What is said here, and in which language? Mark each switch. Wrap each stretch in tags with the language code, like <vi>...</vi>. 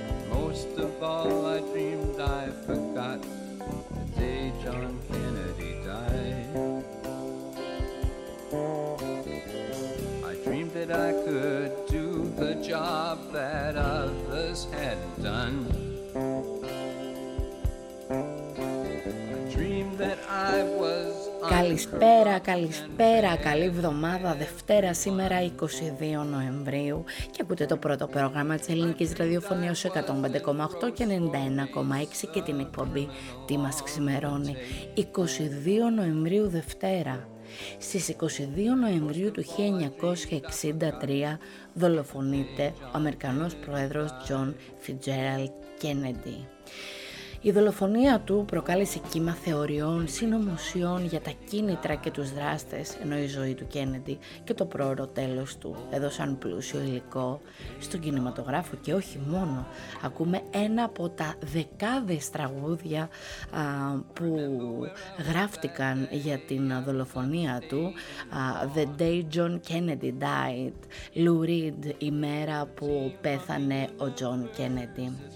<en>Most of all, I dreamed I forgot the day John Kennedy died. I dreamed that I could do the job that others hadn't done. I dreamed that I was.</en> <el>Καλησπέρα, καλησπέρα, καλή εβδομάδα, Δευτέρα σήμερα 22 Νοεμβρίου και ακούτε το πρώτο πρόγραμμα της ελληνικής ραδιοφωνίας 105,8 και 91,6 και την εκπομπή «Τι μας ξημερώνει». 22 Νοεμβρίου, Δευτέρα. Στις 22 Νοεμβρίου του 1963 δολοφονείται ο Αμερικανός Πρόεδρος John Fitzgerald Kennedy. Η δολοφονία του προκάλεσε κύμα θεωριών, συνωμοσιών για τα κίνητρα και τους δράστες, ενώ η ζωή του Kennedy και το πρόωρο τέλος του έδωσαν πλούσιο υλικό στον κινηματογράφο και όχι μόνο. Ακούμε ένα από τα δεκάδες τραγούδια που γράφτηκαν για την δολοφονία του. The Day John Kennedy Died, Lou Reed, η μέρα που πέθανε ο John Kennedy.</el>